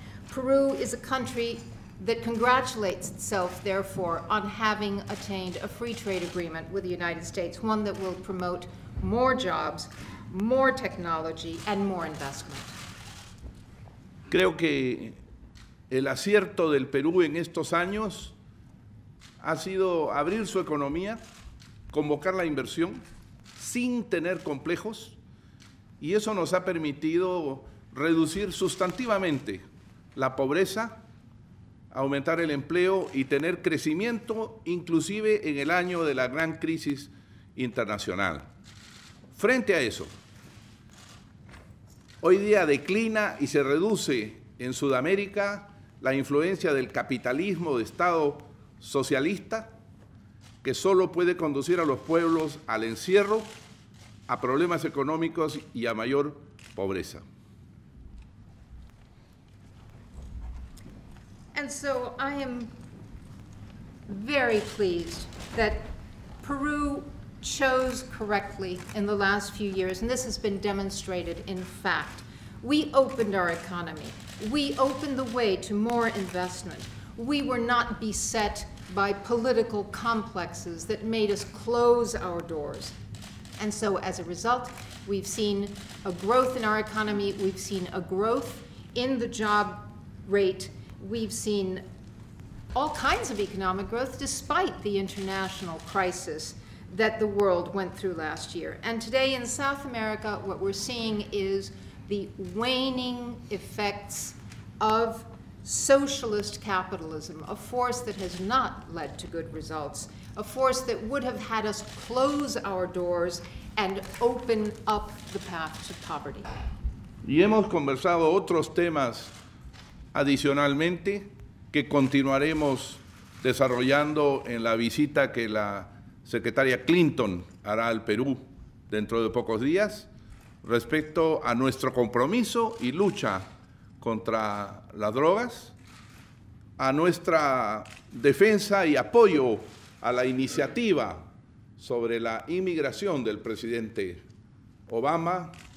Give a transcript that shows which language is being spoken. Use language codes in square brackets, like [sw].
[en] Peru is a country that congratulates itself, therefore, on having attained a free trade agreement with the United States, one that will promote more jobs, more technology, and more investment. [es] Creo que el acierto del Perú en estos años ha sido abrir su economía, convocar la inversión sin tener complejos, y eso nos ha permitido reducir sustantivamente la pobreza, aumentar el empleo y tener crecimiento, inclusive en el año de la gran crisis internacional. Frente a eso, hoy día declina y se reduce en Sudamérica la influencia del capitalismo de Estado socialista, que solo puede conducir a los pueblos al encierro, a problemas económicos y a mayor pobreza. [en] And so I am very pleased that Peru chose correctly in the last few years, and this has been demonstrated in fact. We opened our economy. We opened the way to more investment. We were not beset by political complexes that made us close our doors. And so as a result, we've seen a growth in our economy. We've seen a growth in the job rate. We've seen all kinds of economic growth despite the international crisis that the world went through last year. And today in South America, what we're seeing is the waning effects of socialist capitalism, a force that has not led to good results, a force that would have had us close our doors and open up the path to poverty. [es] Y hemos conversado otros temas adicionalmente que continuaremos desarrollando en la visita que la secretaria Clinton hará al Perú dentro de pocos días respecto a nuestro compromiso y lucha contra las drogas, a nuestra defensa y apoyo a la iniciativa sobre la inmigración del presidente Obama,